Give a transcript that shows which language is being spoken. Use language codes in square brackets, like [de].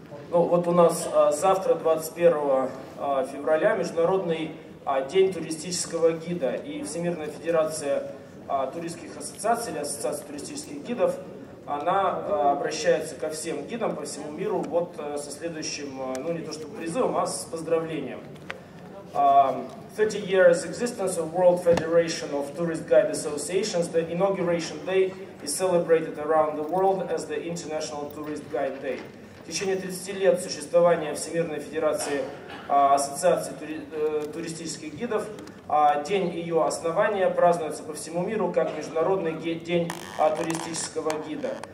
[ru] Ну вот у нас завтра, 21 февраля, Международный день туристического гида. И Всемирная федерация туристских ассоциаций, или ассоциация туристических гидов, она обращается ко всем гидам по всему миру вот со следующим, ну не то что призывом, а с поздравлением. [en] 30 years existence of World Federation of Tourist Guide Associations, the inauguration day is celebrated around the world as the International Tourist Guide Day. [ru] В течение 30 лет существования Всемирной Федерации Ассоциации туристических гидов день ее основания празднуется по всему миру как Международный день туристического гида.